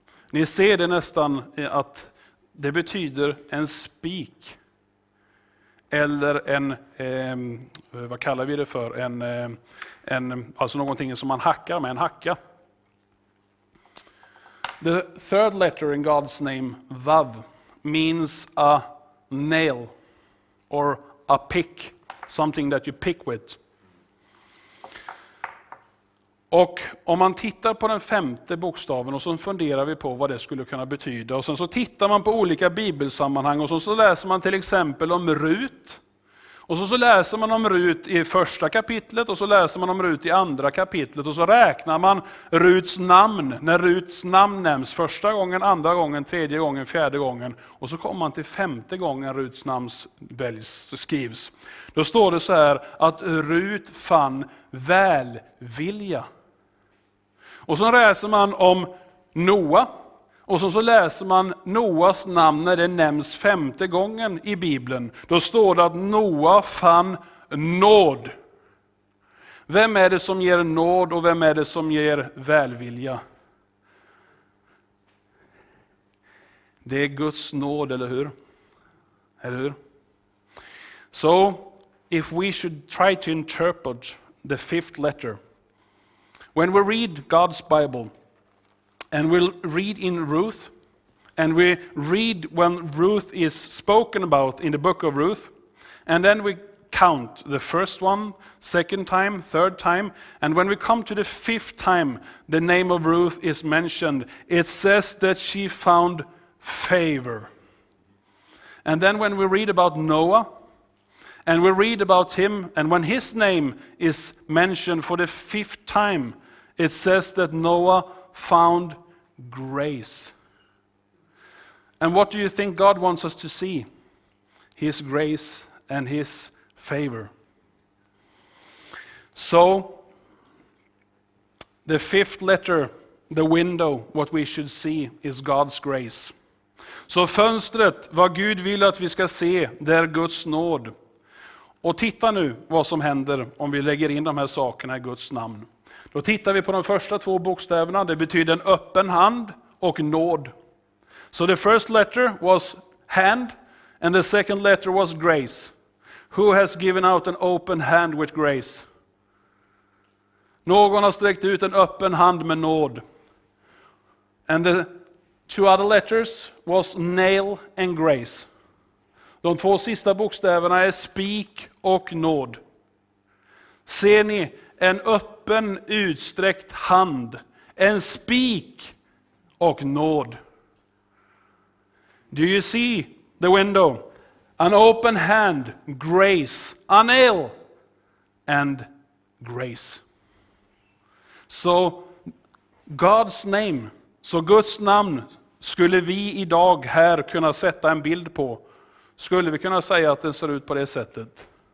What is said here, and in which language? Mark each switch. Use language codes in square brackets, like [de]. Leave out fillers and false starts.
[sv] Ni ser det nästan att det betyder en spik. Eller en, vad kallar vi det för? En, alltså någonting som man hackar med, en hacka. [en] The third letter in God's name, Vav, means a nail or a pick. Something that you pick with. [sv] Och om man tittar på den femte bokstaven och så funderar vi på vad det skulle kunna betyda. Och sen så tittar man på olika bibelsammanhang och så läser man till exempel om Rut. Och så läser man om Rut i första kapitlet och så läser man om Rut i andra kapitlet. Och så räknar man Ruts namn när Ruts namn nämns första gången, andra gången, tredje gången, fjärde gången. Och så kommer man till femte gången Ruts namn skrivs. Då står det så här att Rut fann välvilja. Och så läser man om Noa. Och så läser man Noas namn när det nämns femte gången i Bibeln. Då står det att Noa fann nåd. Vem är det som ger nåd och vem är det som ger välvilja? Det är Guds nåd, eller hur? Eller hur? [en] So, if we should try to interpret the fifth letter. When we read God's Bible, and we'll read in Ruth, and we read when Ruth is spoken about in the book of Ruth, and then we count the first one, second time, third time, and when we come to the fifth time the name of Ruth is mentioned, it says that she found favor. And then when we read about Noah, and we read about him, and when his name is mentioned for the fifth time, it says that Noah found grace. And what do you think God wants us to see? His grace and his favor. So, the fifth letter, the window, what we should see is God's grace. [sv] Så fönstret, vad Gud vill att vi ska se, det är Guds nåd. Och titta nu vad som händer om vi lägger in de här sakerna i Guds namn. Då tittar vi på de första två bokstäverna. Det betyder en öppen hand och nåd. [en] So the first letter was hand and the second letter was grace. Who has given out an open hand with grace? [sv] Någon har sträckt ut en öppen hand med nåd. [en] And the two other letters was nail and grace. [sv] De två sista bokstäverna är spik och nåd. Ser ni? En öppen, utsträckt hand. En spik och nåd. [en] Do you see the window? An open hand, grace, a nail, and grace. So, God's name, [sv] så Guds namn, skulle vi idag här kunna sätta en bild på. Skulle vi kunna säga att den ser ut på det sättet?